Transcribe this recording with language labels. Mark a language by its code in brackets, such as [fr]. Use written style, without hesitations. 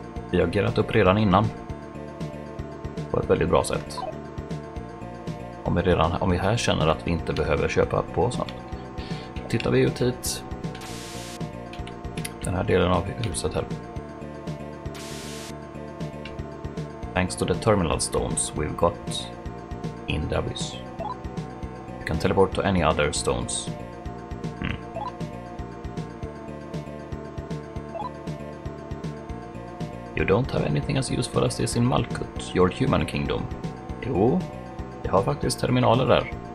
[sv] Vi har gerat upp redan innan. På ett väldigt bra sätt. Om vi här känner att vi inte behöver köpa på oss något. Tittar vi ut hit. Den här delen av huset här. [en] Thanks to the terminal stones we've got in the abyss. You can teleport to any other stones. You don't have anything as useful as this in Malkut, your human kingdom. [sv] Jo, jag har faktiskt terminaler där.